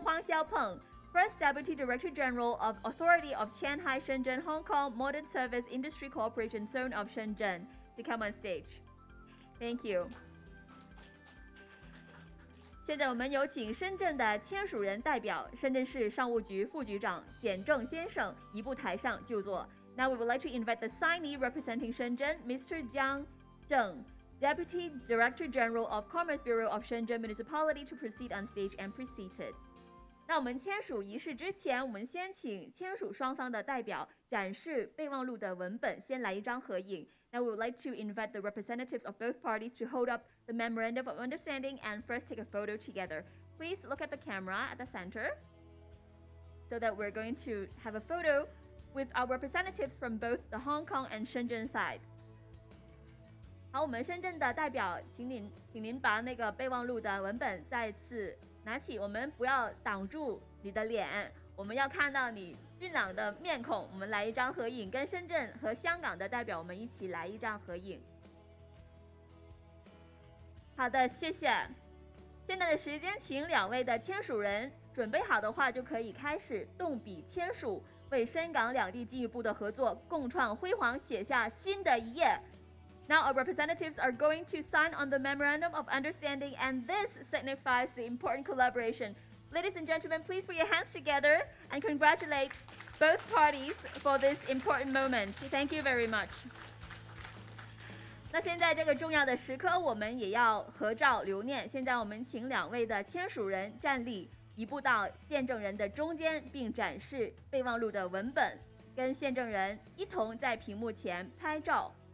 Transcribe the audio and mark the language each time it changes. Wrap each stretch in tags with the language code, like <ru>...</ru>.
<en>黄晓鹏 First Deputy Director General of Authority of Qianhai Shenzhen Hong Kong Modern Service Industry Corporation Zone of Shenzhen to come on stage. Thank you.</en> <zh>现在我们有请深圳的签署人代表深圳市商务局副局长简正先生移步台上就座。</zh> <en>Now we would like to invite the signee representing Shenzhen, Mr. Jiang Zheng, Deputy Director General of Commerce Bureau of Shenzhen Municipality to proceed on stage and be seated.</en> <zh>那我们签署仪式之前，我们先请签署双方的代表展示备忘录的文本，先来一张合影。</zh> <en>Now we would like to invite the representatives of both parties to hold up the memorandum of understanding and first take a photo together. Please look at the camera at the center so that we're going to have a photo with our representatives from both the Hong Kong and Shenzhen side.</en> <zh>好，我们深圳的代表，请您把那个备忘录的文本再次拿起，我们不要挡住你的脸，我们要看到你俊朗的面孔，我们来一张合影，跟深圳和香港的代表，我们一起来一张合影。好的，谢谢。现在的时间，请两位的签署人准备好的话，就可以开始动笔签署，为深港两地进一步的合作，共创辉煌，写下新的一页。</zh> <en>Now our representatives are going to sign on the memorandum of understanding, and this signifies the important collaboration. Ladies and gentlemen, please put your hands together and congratulate both parties for this important moment. Thank you very much.</en> <zh>那现在这个重要的时刻，我们也要合照留念。现在我们请两位的签署人站立，移步到见证人的中间，并展示备忘录的文本，跟见证人一同在屏幕前拍照。</zh>